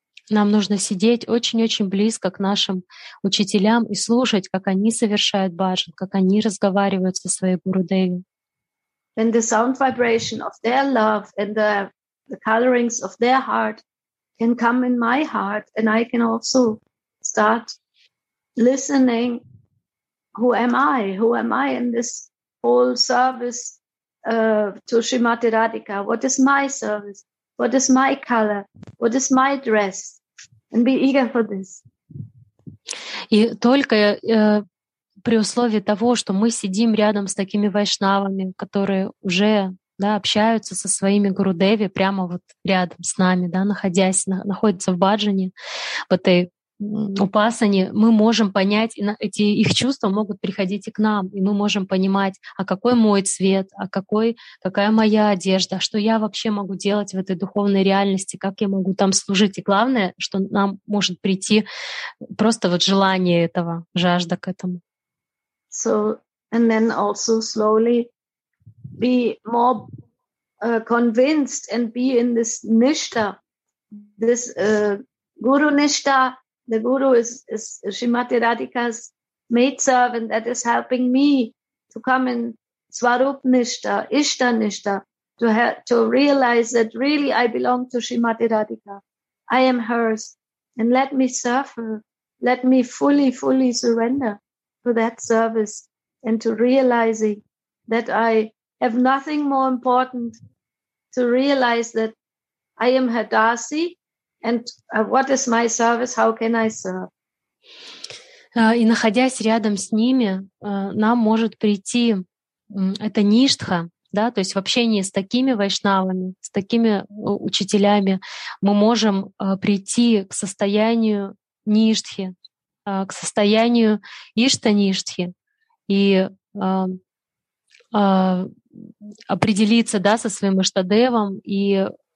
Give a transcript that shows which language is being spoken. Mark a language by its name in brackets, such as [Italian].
[Russian] Нам нужно сидеть очень-очень близко к нашим учителям и слушать, как они совершают баджан, как они разговаривают со своей Гуру Деви. [English] And the sound vibration of their love and the colorings of their heart can come in my heart, and I can also start listening. Who am I? Who am I in this whole service to Srimati Radhika? What is my service? What is my color? What is my dress? And be eager for this. [Russian] И только при условии того, что мы сидим рядом с такими вайшнавами, которые уже, да, общаются со своими Гурудеви прямо вот рядом с нами, да, находятся в баджане, в этой упасане, мы можем понять, эти их чувства могут приходить и к нам, и мы можем понимать, а какой мой цвет, а какая моя одежда, что я вообще могу делать в этой духовной реальности, как я могу там служить. И главное, что нам может прийти просто вот желание этого, жажда к этому. [English] So, and then also slowly be more convinced and be in this nishta, this guru nishta. The guru is Srimati Radhika's maidservant that is helping me to come in swarup nishta, ishta nishta, to realize that really I belong to Srimati Radhika. I am hers. and let me serve her. Let me fully, fully surrender to that service and to realizing that I have nothing more important, to realize that I am her Dasi, and what is my service? How can I serve? [Russian] И находясь рядом с ними, нам может прийти эта ништха, да, то есть в общении с такими вайшнавами, с такими учителями, мы можем прийти к состоянию ништхи, к состоянию ишта-ништхи и определиться, да, со своим иштадевом и